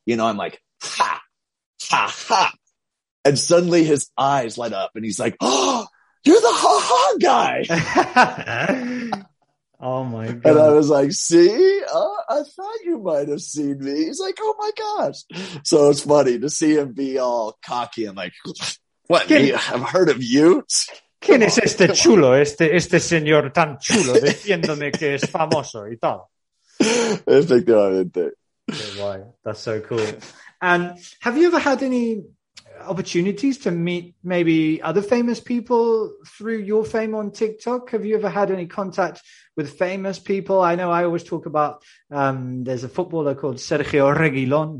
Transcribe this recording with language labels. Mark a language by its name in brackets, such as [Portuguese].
[English] You know, I'm like, "Ha, ha, ha." And suddenly his eyes light up and he's like, "Oh, you're the ha-ha guy." Oh my God. And I was like, "See, I thought you might have seen me." He's like, "Oh my gosh." So it's funny to see him be all cocky and like, "What? Me? I've heard of you? [Spanish] ¿Quién es este chulo? Este señor tan chulo diciéndome que es famoso y tal." Efectivamente. [English] Why? That's so cool. And have you ever had any opportunities to meet maybe other famous people through your fame on TikTok? Have you ever had any contact with famous people? I know I always talk about there's a footballer called Sergio Reguilón.